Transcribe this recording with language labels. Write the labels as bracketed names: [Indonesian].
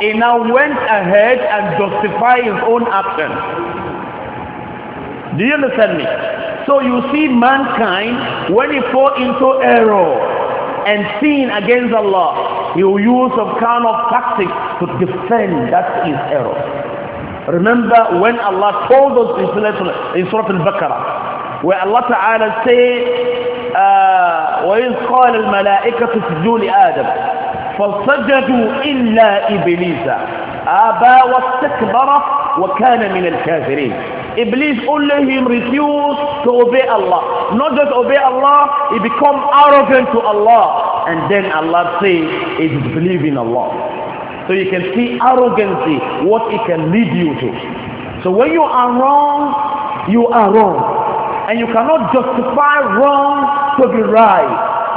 [English] He now went ahead and justified his own action. Do you understand me? So you see, mankind, when he fall into error and sin against Allah, he will use some kind of tactic to defend that his error. Remember when Allah told us in Surah Al-Baqarah, where Allah Ta'ala said, [Arabic] وَإِذْ قَالَ الْمَلَائِكَةُ اسْجُدُوا لِآدَمَ فَسَجَدُوا إِلَّا إِبْلِيسَ أَبَى وَاسْتَكْبَرَ وَكَانَ مِنَ الْكَافِرِينَ. [English] Iblis only him refused to obey Allah. Not just obey Allah, he become arrogant to Allah. And then Allah says, he disbelieved in Allah. So you can see arrogancy, what it can lead you to. So when you are wrong, you are wrong. And you cannot justify wrong to be right.